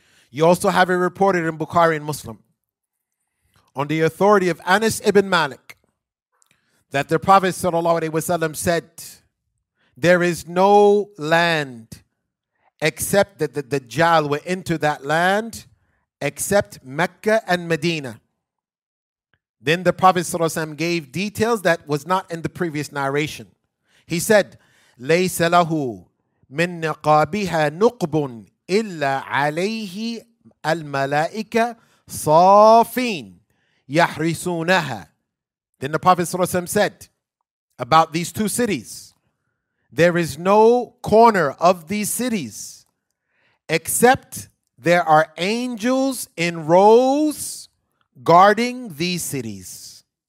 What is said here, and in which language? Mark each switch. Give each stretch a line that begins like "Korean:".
English: You also have it reported in Bukhari and Muslim on the authority of Anas ibn Malik that the Prophet sallallahu alaihi wasallam said, there is no land except that the Dajjal will enter that land except Mecca and Medina. Then the Prophet sallallahu alaihi wasallam gave details that was not in the previous narration. He said,
Arabic: ليس له من نقابها نقب إلا عليه الملائكة صافين يحرسونها.
English: Then the Prophet ﷺ said about these two cities, there is no corner of these cities except there are angels in rows guarding these cities.